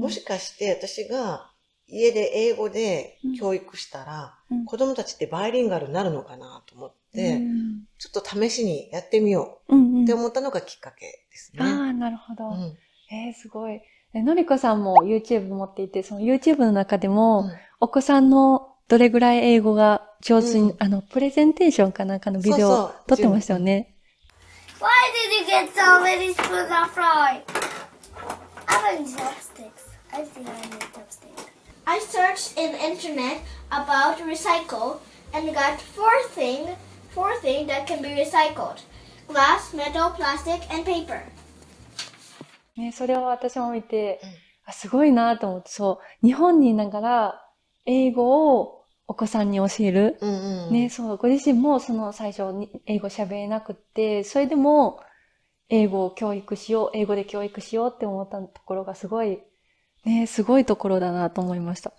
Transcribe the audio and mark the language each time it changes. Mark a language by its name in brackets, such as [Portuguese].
[Japanese] もしかして私が家で英語で教育したら、うん、子供たちってバイリンガルになるのかなと思って、うん、ちょっと試しにやってみようって思ったのがきっかけですね。うんうん、ああ、なるほど。うん、すごい。のりこさんも YouTube 持っていて、その YouTube の中でも、うん、お子さんのどれぐらい英語が上手に、うん、プレゼンテーションかなんかのビデオを撮ってましたよね。 [English] Why did you get so many spoons of rice? I have any chopsticks. I think I need chopsticks. I searched in the internet about recycle and got four things that can be recycled. Glass, metal, plastic and paper. [Japanese] ね、それを私も見て、うん、あすごいなと思って、そう、日本にいながら英語をお子さんに教える、うんうん、ね、そう、ご自身もその最初に英語喋れなくって、それでも英語を教育しよう、英語で教育しようって思ったところがすごい、ね、すごいところだなと思いました。